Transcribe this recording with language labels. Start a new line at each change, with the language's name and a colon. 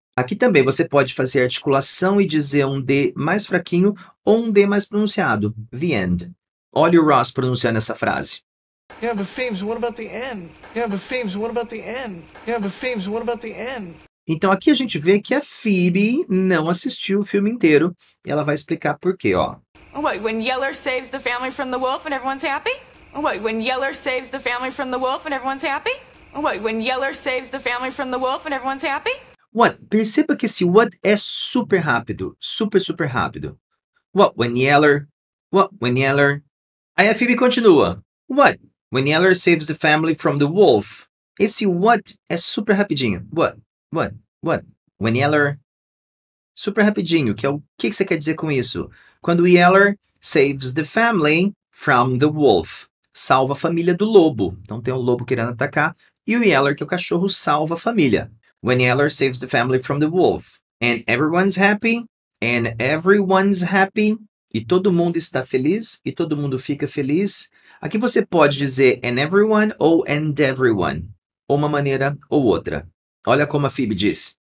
Portuguese: Aqui também você pode fazer articulação e dizer um D mais fraquinho ou um D mais pronunciado.
English: The end.
Portuguese: Olha o Ross pronunciando essa frase.
English: Yeah, but Phoebs, what about the end? Yeah, but Phoebs, what about the end? Yeah, but Phoebs, what about the end?
Portuguese: Então aqui a gente vê que a Phoebe não assistiu o filme inteiro. Ela vai explicar por quê, ó.
English: What, when Yeller saves the family from the wolf and everyone's happy? What, when Yeller saves the family from the wolf and everyone's happy? What, when Yeller saves the family from the wolf and everyone's happy?
Portuguese: What, perceba que esse what é super rápido, super, super rápido.
English: What, when Yeller, what, when Yeller.
Portuguese: Aí a Phoebe continua.
English: What, when Yeller saves the family from the wolf.
Portuguese: Esse what é super rapidinho.
English: What, what, what, when Yeller.
Portuguese: Super rapidinho, que é o que você quer dizer com isso? Quando
English: Yeller saves the family from the wolf.
Portuguese: Salva a família do lobo. Então tem um lobo querendo atacar. E o Yeller, que é o cachorro, salva a família.
English: When Yeller saves the family from the wolf. And everyone's happy. And everyone's happy.
Portuguese: E todo mundo está feliz. E todo mundo fica feliz. Aqui você pode dizer
English: and everyone
Portuguese: ou and everyone. Ou uma maneira ou outra. Olha como a Phoebe diz.